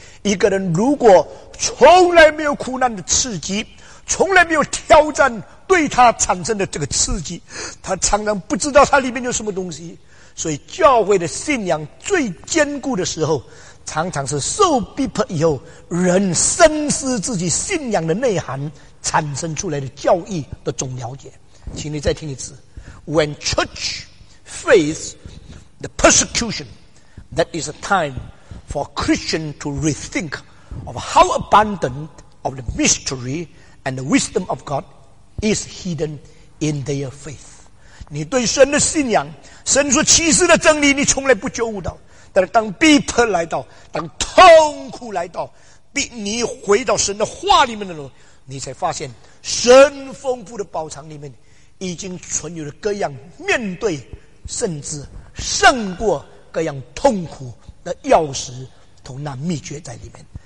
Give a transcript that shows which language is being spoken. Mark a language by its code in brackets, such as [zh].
[zh] 一个人如果从来没有苦难的刺激，从来没有挑战对他产生的这个刺激，他常常不知道他里面有什么东西。所以教会的信仰最坚固的时候，常常是受逼迫以后，人深思自己信仰的内涵产生出来的教义的总了解。请你再听一次 [en] When church faces the persecution, that is a time for Christian to rethink of how abundant of the mystery and the wisdom of God is hidden in their faith. [zh] 你对神的信仰，神所启示的真理，你从来不觉悟到。但是当逼迫来到，当痛苦来到，逼你回到神的话里面的时候，你才发现神丰富的宝藏里面已经存有了各样面对甚至胜过各样痛苦的钥匙同那秘诀在里面。